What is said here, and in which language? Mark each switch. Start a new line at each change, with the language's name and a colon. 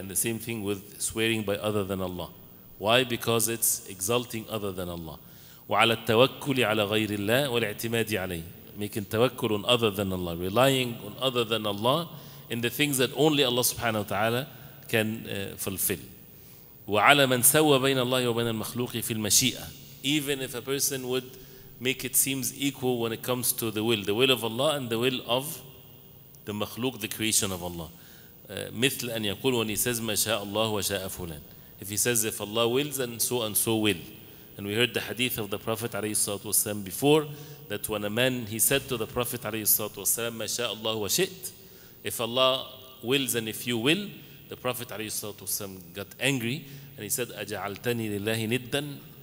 English: And the same thing with swearing by other than Allah. Why? Because it's exalting other than Allah.
Arabic: وَعَلَى التَّوَكُّلِ عَلَى غَيْرِ اللَّهِ وَالْاِعْتِمَادِ عَلَيْهِ.
English: Making tawakkul on other than Allah.
Arabic: Relying on other than Allah in the things that only Allah subhanahu wa ta'ala can fulfill. وَعَلَى مَنْ سَوَّ بَيْنَ اللَّهِ وَبَيْنَ الْمَخْلُوقِ فِي الْمَشِيئَةِ.
English: Even if a person would make it seems equal when it comes to the will of Allah and the will of the makhluk, the creation of Allah.
Arabic: مثل أن يقول
English: when he says
Arabic: ما شاء الله وشاء فلان.
English: If he says if Allah wills, then so and so will. And we heard the hadith of the Prophet عليه الصلاة والسلام before that when a man he said to the Prophet عليه الصلاة والسلام
Arabic: ما شاء الله وشئت.
English: If Allah wills and if you will, the Prophet عليه الصلاة والسلام got angry and he said
Arabic: أجعلتني لله ندا.